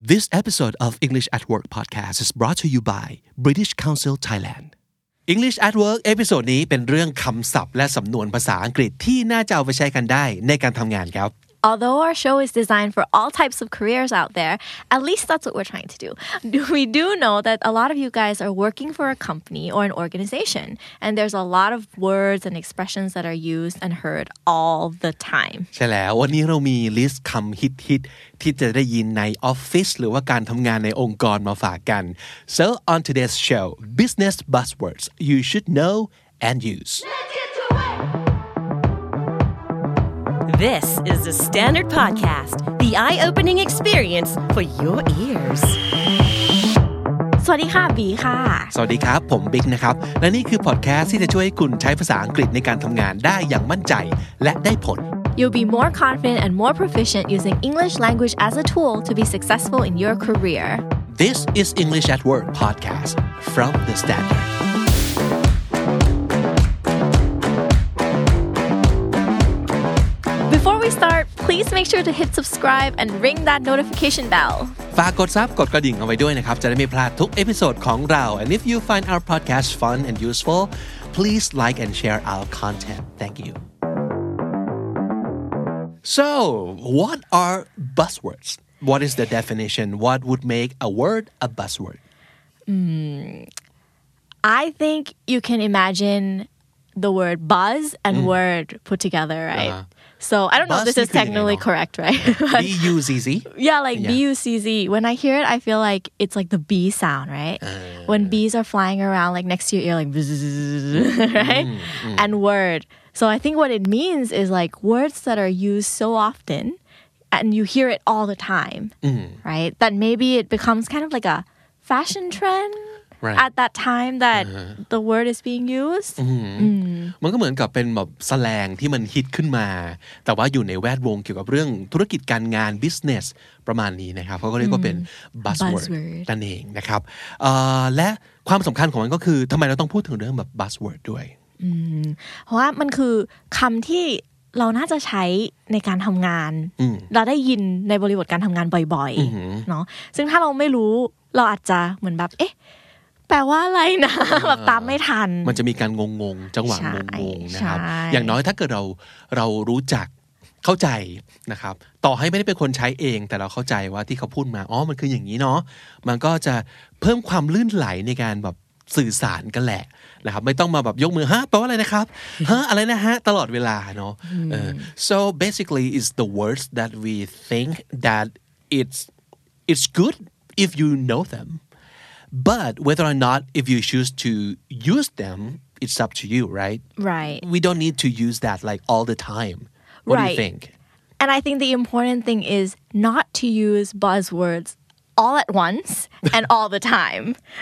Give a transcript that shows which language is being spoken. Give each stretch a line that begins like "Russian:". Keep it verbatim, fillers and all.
English: This episode of English at Work podcast is brought to you by British Council Thailand.
Thai: English at Work เอพิโซดนี้เป็นเรื่องคำศัพท์และสำนวนภาษาอังกฤษที่น่าจะเอาไปใช้กันได้ในการทำงานครับ
English: Although our show is designed for all types of careers out there, at least that's what we're trying to do. We do know that a lot of you guys are working for a company or an organization, and there's a lot of words and expressions that are used and heard all the time.
Thai: ใช่แล้ววันนี้เรามีลิสต์คำฮิตๆที่จะได้ยินในออฟฟิศหรือว่าการทำงานในองค์กรมาฝากกัน
English: So on today's show, business buzzwords you should know and use. This is the Standard Podcast, the eye-opening experience for your ears.
Thai: สวัสดีค่ะบีค่ะ สวัสดีครับผมบิ๊กนะครับและนี่คือพอดแคสต์ที่จะช่วยให้คุณใช้ภาษาอังกฤษในการทำงานได้อย่างมั่นใจและได้ผล
English: You'll be more confident and more proficient using English language as a tool to be successful in your career. This is English at Work podcast from The Standard. Before we start, please make sure to hit subscribe and ring that notification bell.
Thai: ฝากกดซับกดกระดิ่งเอาไว้ด้วยนะครับจะได้ไม่พลาดทุกเอพิโซดของเรา
English: And if you find our podcast fun and useful, please like and share our content. Thank you. So, what are buzzwords? What is the definition? What would make a word a buzzword? Mm, I think you can imagine the word buzz and mm. word put together, right? Uh-huh. So, I don't know if this is technically correct, right? B U Z Z? Yeah, like yeah. B U Z Z. When I hear it, I feel like it's like the bee sound, right? Uh, when bees are flying around like next to your ear, like bzzz, right? Mm, mm. And word. So, I think what it means is like words that are used so often and you hear it all the time, mm. right? That maybe it becomes kind of like a fashion trend. Right. At that time that uh-huh. the word is being used
Thai: มันก็เหมือนกับเป็นแบบแสแลงที่มันฮิตขึ้นมาแต่ว่าอยู่ในแวดวงเกี่ยวกับเรื่องธุรกิจการงาน business ประมาณนี้นะครับเขาก็เรียกว่าเป็น buzzword นั่นเองนะครับและความสำคัญของมันก็คือทำไมเราต้องพูดถึงเรื่องแบบ buzzword ด้วย เพราะว่ามันคือคำที่เราน่าจะใช้ในการทำงานเราได้ยินในบริบทการทำงานบ่อยๆเนาะซึ่งถ้าเราไม่รู้เราอาจจะเหมือนแบบเอ๊ะแปลว่าอะไรนะแบบตามไม่ทัน มันจะมีการงงๆจังหวะงงๆนะครับอย่างน้อยถ้าเกิดเราเรารู้จักเข้าใจนะครับต่อให้ไม่ได้เป็นคนใช้เองแต่เราเข้าใจว่าที่เขาพูดมาอ๋อมันคืออย่างนี้เนาะมันก็จะเพิ่มความลื่นไหลในการแบบสื่อสารกันแหละนะครับไม่ต้องมาแบบยกมือฮะแปลว่าอะไรนะครับฮะอะไรนะฮะตลอดเวลาเนาะ
English: so basically it's the words that we think that it's it's good if you know them. But whether or not if you choose to use them, it's up to you, right? Right. We don't need to use that like all the time. What right. do you think? And I think the important thing is not to use buzzwords all at once and all the time.